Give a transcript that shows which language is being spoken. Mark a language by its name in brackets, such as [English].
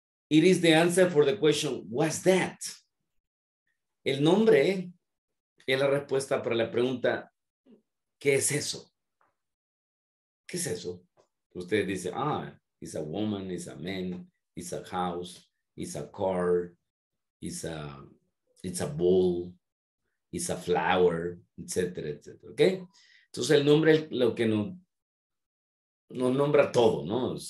[English] It is the answer for the question, what's that? [Spanish] El nombre es la respuesta para la pregunta, ¿qué es eso? ¿Qué es eso? Ustedes dicen, ah, [English] it's a woman, it's a man, it's a house, it's a car, it's a bull, it's a flower, etc., etc., ¿ok? [Spanish] Entonces el nombre es lo que nos nombra todo, ¿no?